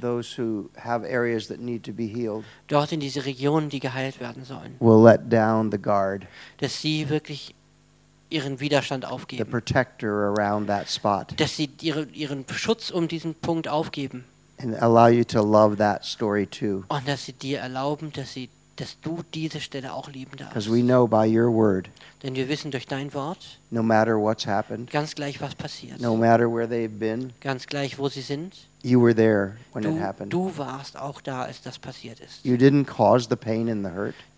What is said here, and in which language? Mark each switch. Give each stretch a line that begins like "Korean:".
English: Those who have areas that need to be healed.
German: Dort in diese Regionen, die geheilt werden sollen.
English: Will let down the guard.
German: Dass sie wirklich ihren Widerstand aufgeben.
English: The protector around that spot.
German: Dass sie ihren Schutz um diesen Punkt aufgeben.
English: And allow you to love that story too.
German: Und dass sie dir erlauben, dass du diese Stelle auch lieben darfst.
English: Because we know by your word.
German: Denn wir wissen durch dein Wort.
English: No matter what's happened.
German: Ganz gleich was passiert.
English: No matter where they've been.
German: Ganz gleich wo sie sind.
English: You were there when it happened.
German: Du warst auch da, als das passiert ist.
English: You didn't cause the pain and the hurt.